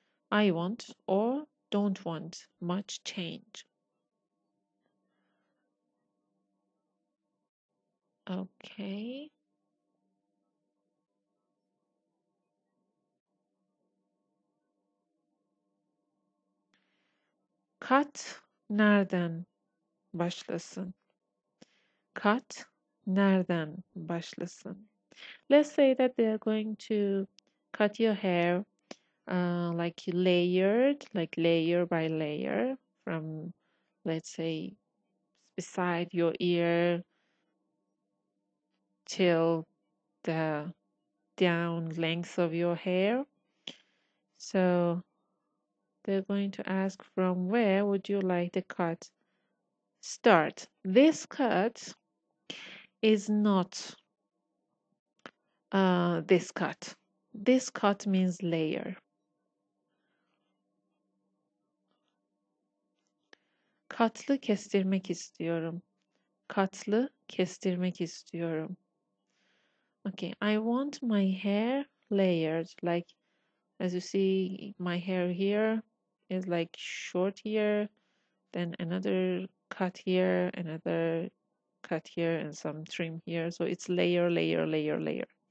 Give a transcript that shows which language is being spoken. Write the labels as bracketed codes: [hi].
[en] I want or don't want much change. Okay. [tr] Cut nereden başlasın? Cut Nereden başlasın? [en] Let's say that they are going to cut your hair like layered, like layer by layer, from, let's say, beside your ear till the down length of your hair. So they're going to ask, from where would you like the cut start? This cut is not this cut. This cut means layer. [tr] Katlı kestirmek istiyorum. Katlı kestirmek istiyorum. [en] Okay, I want my hair layered. Like, as you see, my hair here is like short here, then another cut here, another cut here, and some trim here. So it's layer, layer, layer, layer.